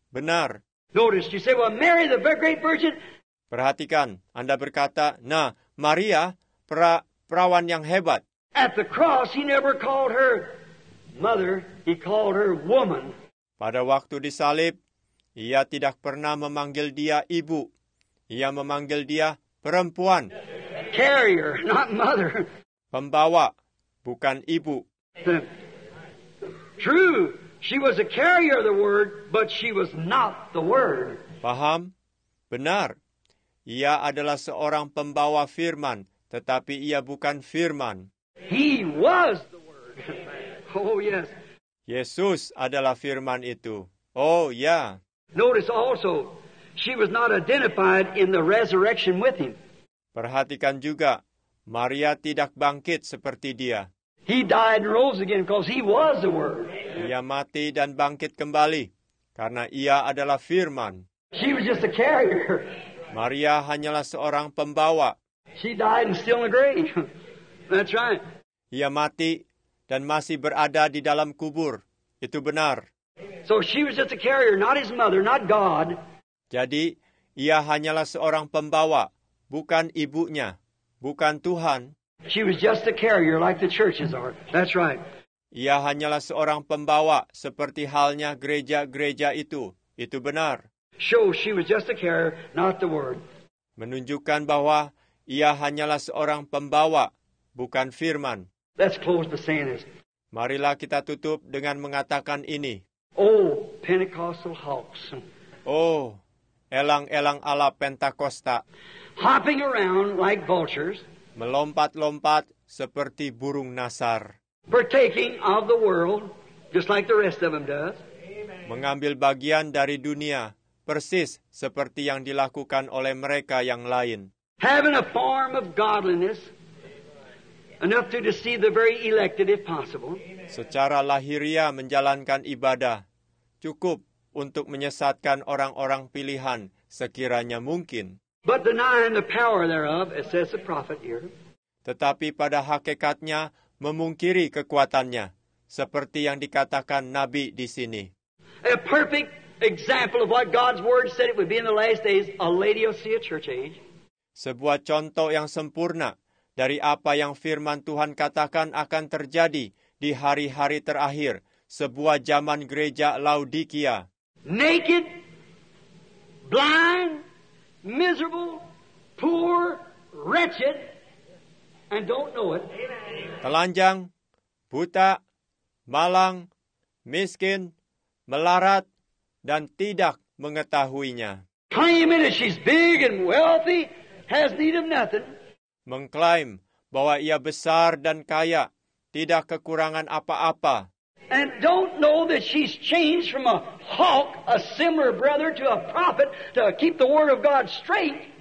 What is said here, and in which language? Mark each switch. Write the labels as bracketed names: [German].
[Indonesian] Benar. [English] Notice, you say, well, Mary, the great virgin. [Indonesian] Perhatikan, Anda berkata, nah, Maria, perawan yang hebat. [English] At the cross, he never called her mother, he called her woman. [Indonesian] Pada waktu disalib, ia tidak pernah memanggil dia ibu. Ia memanggil dia perempuan. [English] Carrier, not mother. [Indonesian] Pembawa. Bukan ibu. [English] True, she was a carrier of the word, but she was not the word. [Indonesian] Paham? Benar. Ia adalah seorang pembawa firman, tetapi ia bukan firman. [English] He was the word. Oh, yes. [Indonesian] Yesus adalah firman itu. Oh, ya. [English] Yeah. Notice also, she was not identified in the resurrection with him. [Indonesian] Perhatikan juga, Maria tidak bangkit seperti dia. [English] He died and rose again because he was the word. [Indonesian] Ia mati dan bangkit kembali karena ia adalah firman. [English] She was just a carrier. [Indonesian] Maria hanyalah seorang pembawa. [English] She died and still in the grave. That's right. [Indonesian] Ia mati dan masih berada di dalam kubur. Itu benar. [English] So she was just a carrier, not his mother, not God. [Indonesian] Jadi ia hanyalah seorang pembawa, bukan ibunya, bukan Tuhan. [English] She was just a carrier like the churches are. That's right. [Indonesian] Ia hanyalah seorang pembawa seperti halnya gereja-gereja itu. Itu benar. [English] Show she was just a carrier, not the word. [Indonesian] Menunjukkan bahwa ia hanyalah seorang pembawa, bukan firman. [English] Let's close by saying this. [Indonesian] Marilah kita tutup dengan mengatakan ini. [English] Oh, Pentecostal hawks. [Indonesian] Oh, elang-elang ala Pentakosta. [English] Hopping around like vultures. [Indonesian] Melompat-lompat seperti burung nasar. [English] Partaking of the world, just like the rest of them does. Amen. [Indonesian] Mengambil bagian dari dunia, persis seperti yang dilakukan oleh mereka yang lain. [English] Having a form of godliness, enough to deceive the very elected if possible. Amen. [Indonesian] Secara lahiriah menjalankan ibadah, cukup untuk menyesatkan orang-orang pilihan sekiranya mungkin. [English] But denying the power thereof, as says the prophet here. [Indonesian] Tetapi pada hakikatnya, memungkiri kekuatannya, seperti yang dikatakan Nabi di sini. [English] A perfect example of what God's word said it would be in the last days, a Laodicea church age. [Indonesian] Sebuah contoh yang sempurna dari apa yang firman Tuhan katakan akan terjadi di hari-hari terakhir, sebuah zaman gereja Laodikia. [English] Naked, blind, miserable, poor, wretched, and don't know it. [Indonesian] Telanjang, buta, malang, miskin, melarat, dan tidak mengetahuinya. [English] Claiming that she's big and wealthy, has need of nothing. [Indonesian] Mengklaim bahwa ia besar dan kaya, tidak kekurangan apa-apa. [English] And don't know that she's changed from a hawk, a similar brother, to a prophet to keep the word of God straight.